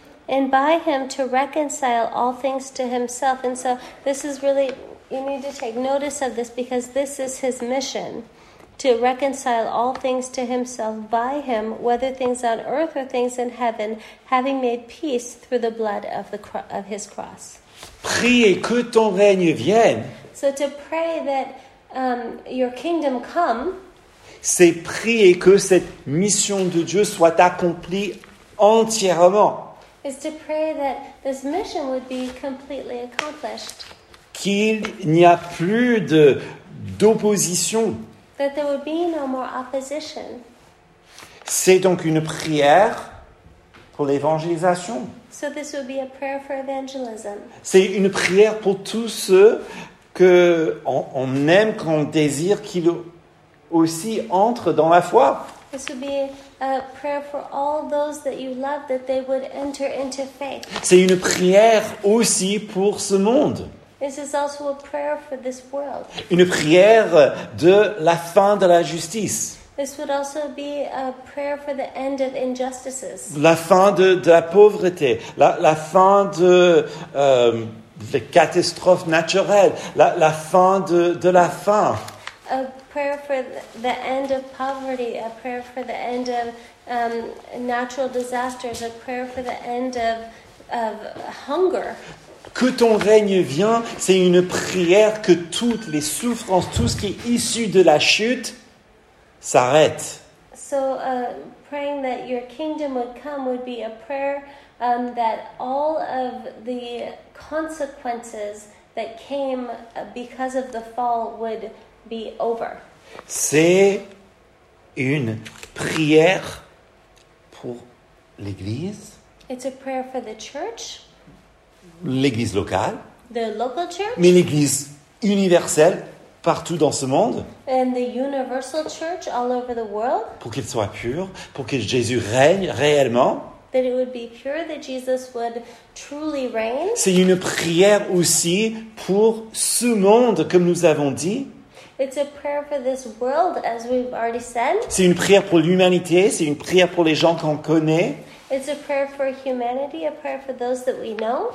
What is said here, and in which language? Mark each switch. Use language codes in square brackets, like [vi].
[en] And by him to reconcile all things to himself. And so this is really, you need to take notice of this because this is his mission. To reconcile all things to himself by him, whether things on earth or things in heaven, having made peace through the blood of his cross. [fr] Priez que ton règne vienne. [en] So to pray that your kingdom come. [fr] C'est prier que cette mission de Dieu soit accomplie entièrement. [en] Is to pray that this mission would be completely accomplished. [fr] Qu'il n'y a plus d'opposition. [en] That there would be no more opposition. [fr] C'est donc une prière pour l'évangélisation. [en] So this would be a prayer for evangelism. [fr] C'est une prière pour tous ceux qu'on aime, qu'on désire, qu'ils aussi entrent dans la foi. [en] This would be a prayer for all those that you love, that they would enter into faith. [fr] C'est une prière aussi pour ce monde. [en] This is also a prayer for this world. [fr] Une prière de la fin de la justice. [en] This would also be a prayer for the end of injustices. [fr] La fin de la pauvreté, la fin de les catastrophes naturelles, la fin de la faim. [en] A prayer for the end of poverty, a prayer for the end of natural disasters, a prayer for the end of hunger. [fr] Que ton règne vienne, c'est une prière que toutes les souffrances, tout ce qui est issu de la chute, s'arrête. [en] So, praying that your kingdom would come would be a prayer that all of the consequences that came because of the fall would be over. [fr] C'est une prière pour l'Église. [en] It's a prayer for the church. [fr] L'église locale, [en] the local church, [fr] mais l'église universelle partout dans ce monde, [en] and the universal church all over the world, [fr] pour qu'il soit pur, pour que Jésus règne réellement. [en] That it would be pure, that Jesus would truly reign. [fr] C'est une prière aussi pour ce monde, comme nous avons dit. [en] It's a prayer for this world, as we've already said. [fr] C'est une prière pour l'humanité, c'est une prière pour les gens qu'on connaît. [en] It's a prayer for humanity, a prayer for those that we know.